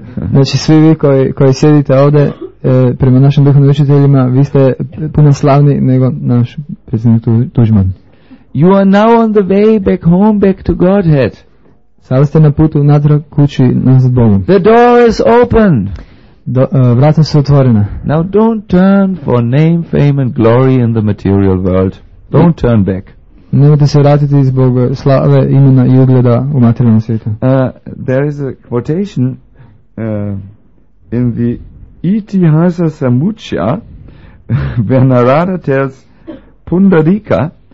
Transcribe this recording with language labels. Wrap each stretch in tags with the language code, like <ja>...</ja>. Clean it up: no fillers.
<hr>Znači svi vi koji sjedite ovdje prema našim duhovnim učiteljima vi ste puno slavni nego naš predsjednik Tuđman.</hr> <en>You are now on the way back home back to Godhead.</en> <hr>Sada ste na putu natrag kući nazad Bogu.</hr> <en>The door is open.</en> <hr>Vrata su otvorena.</hr> <en>Now don't turn for name, fame and glory in the material world. Don't turn back.</en> <hr>Nemojte se vratiti zbog slave, imena i ugleda u materijalnom svijetu.</hr> <en>There is a quotation in the Itihasa Samucha where Narada tells Pundarika.</en>